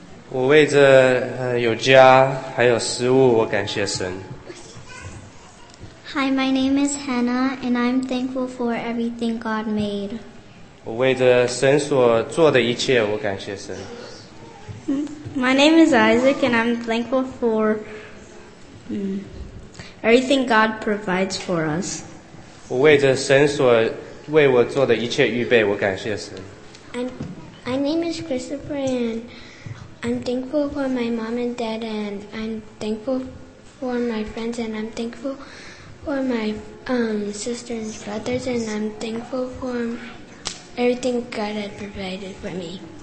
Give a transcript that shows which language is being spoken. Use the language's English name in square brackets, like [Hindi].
[Chinese] 我为着有家还有食物，我感谢神。 [English] Hi, my name is Hannah, and I'm thankful for everything God made. [Chinese] 我为着神所做的一切，我感谢神。 [English] My name is Isaac, and I'm thankful for everything God provides for us. [Chinese] 我为着神所为我做的一切预备，我感谢神。 [English] My name is Christopher, and I'm thankful for my mom and dad, and I'm thankful for my friends, and I'm thankful for my sisters and brothers, and I'm thankful for everything God had provided for me.